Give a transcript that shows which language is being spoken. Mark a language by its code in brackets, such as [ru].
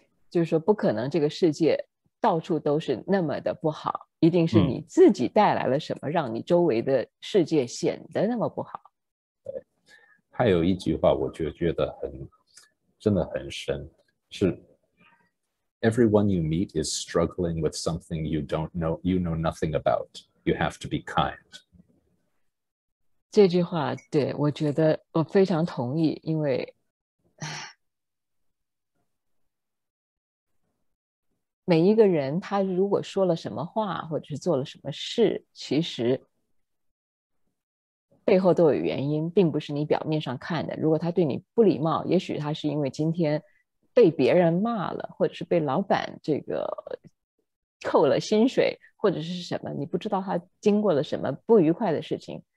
[zh] 就是说，不可能这个世界到处都是那么的不好，一定是你自己带来了什么，让你周围的世界显得那么不好。还有一句话，我就觉得真的很深，是。 [en] Everyone you meet is struggling with something you don't know, you know nothing about. You have to be kind. [zh] 这句话，对，我觉得我非常同意，因为，每一个人他如果说了什么话，或者是做了什么事，其实背后都有原因，并不是你表面上看的。如果他对你不礼貌，也许他是因为今天被别人骂了，或者是被老板这个扣了薪水，或者是什么，你不知道他经过了什么不愉快的事情。